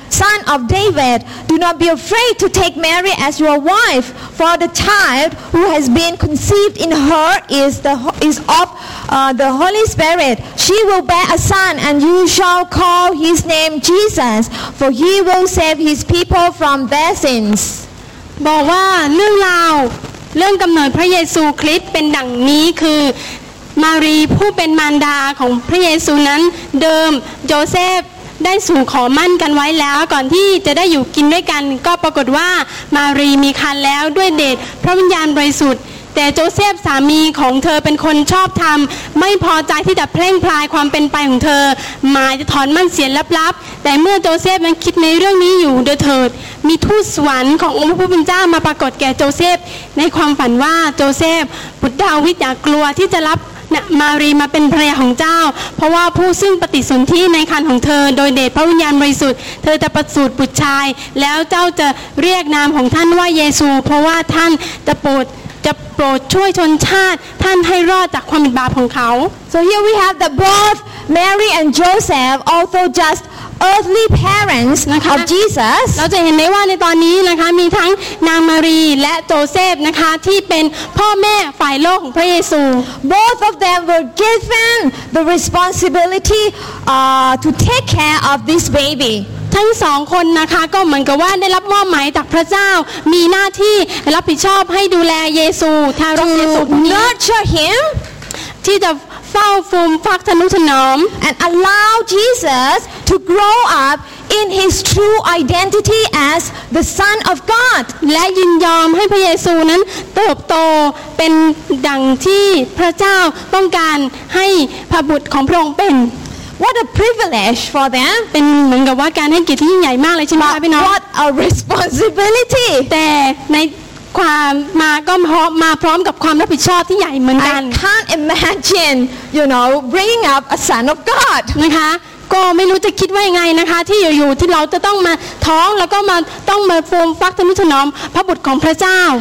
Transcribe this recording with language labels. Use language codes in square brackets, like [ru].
[en] Son of David, do not be afraid to take Mary as your wife, for the child who has been conceived in her is of the Holy Spirit. She will bear a son, and you shall call his name Jesus, for he will save his people from their sins. [th] บอกว่าเรื่องราวเรื่องกำเนิดพระเยซูคริสต์เป็นดังนี้คือมารีผู้เป็นมารดาของพระเยซูนั้นเดิมโยเซฟได้สู่ขอมั่นกันไว้แล้วก่อนที่จะได้อยู่กินด้วยกันก็ปรากฏว่ามารีมีครรภ์แล้วด้วยเดชพระวิญญาณบริสุทธิ์แต่โจเซฟสามีของเธอเป็นคนชอบธรรมไม่พอใจที่จะเพ่งพลายความเป็นไปของเธอ มาจะถอนมั่นเสียลับๆแต่เมื่อโจเซฟมันคิดในเรื่องนี้อยู่เดือดเถิดมีทูตสวรรค์ขององค์พระผู้เป็นเจ้ามาปรากฏแก่โจเซฟในความฝันว่าโจเซฟบุตรดาวิดอย่ากลัวที่จะรับ มารีมาเป็นภรรยาของเจ้าเพราะว่าผู้ซึ่งปฏิสนธิในครรภ์ของเธอโดยเดชพระวิญญาณบริสุทธิ์เธอจะประสูติบุตรชายแล้วเจ้าจะเรียกนามของท่านว่าเยซูเพราะว่าท่านจะโปรด จะโปรดช่วยชนชาติท่านให้รอดจากความบาปของเขา [en] So here we have the both Mary and Joseph also just earthly parents of Jesus [th] เราจะเห็นได้ว่าในตอนนี้นะคะมีทั้งนางมารีและโจเซฟนะคะที่เป็นพ่อแม่ฝ่ายโลกของพระเยซู [en] Both of them were given the responsibility to take care of this baby [th] ทั้งสองคนนะคะก็เหมือนกับว่าได้รับมอบหมายจากพระเจ้ามีหน้าที่รับผิดชอบให้ดูแลเยซูทารกเยซู นี้ [en] nurture him [th] ที่จะเฝ้าฟูมฟักทนุถนอม [en] and allow Jesus to grow up in his true identity as the son of God [th] และยินยอมให้พระเยซูนั้นเติบโตเป็นดังที่พระเจ้าต้องการให้พระบุตรของพระองค์เป็น [en] What a privilege for them [th] เป็นเหมือนกับว่าการให้เกียรติที่ใหญ่มากเลยใช่ไหมคะพี่น้อง [en] What a responsibility [th] แต่ในความมาก็มาพร้อมกับความรับผิดชอบที่ใหญ่เหมือนกัน [en] I can't imagine you know bringing up a son of God [th] นะคะก็ไม่รู้จะคิดว่ายังไงนะคะที่อยู่ๆที่เราจะต้องมาท้องแล้วก็มาต้องมาฟูมฟักทนุถนอมพระบุตรของพระเจ้า